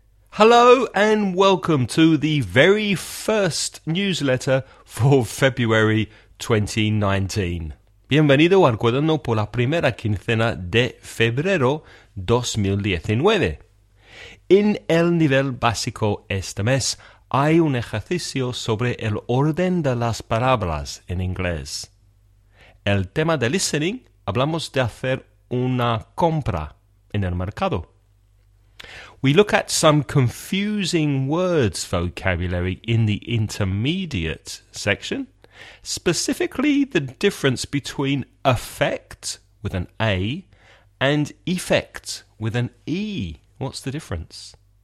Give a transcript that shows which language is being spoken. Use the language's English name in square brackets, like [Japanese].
[English] Hello and welcome to the very first newsletter for February 2019. [Spanish] Bienvenido al cuaderno por la primera quincena de febrero 2019. En el nivel básico este mes hay un ejercicio sobre el orden de las palabras en inglés. El tema de listening, hablamos de hacer una compra en el mercado. [English] We look at some confusing words vocabulary in the intermediate section, specifically the difference between affect with an A and effect with an E. What's the difference?